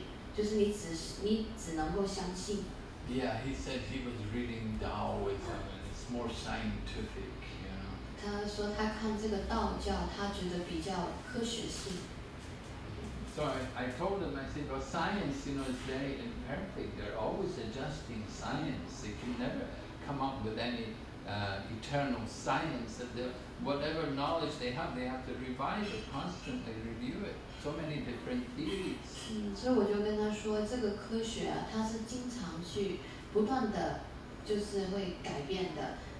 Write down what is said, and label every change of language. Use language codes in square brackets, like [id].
[zh] 那就有一个男士，他就说，这个印度教他，他怎么说？就是他觉得是没有一个科学的根据，就是你只能够相信。 [en] Yeah, he said he was reading Taoism, and it's more scientific. [zh] 他说他看这个道教，他觉得比较科学性。So [en] I told him, I said, well, science, you know, is very imperfect. They're always adjusting science. They can never come up with any eternal science. Whatever knowledge they have to revise it, constantly review it. So many different theories. [zh] 所以我就跟他说，这个科学啊，它是经常去不断的，就是会改变的。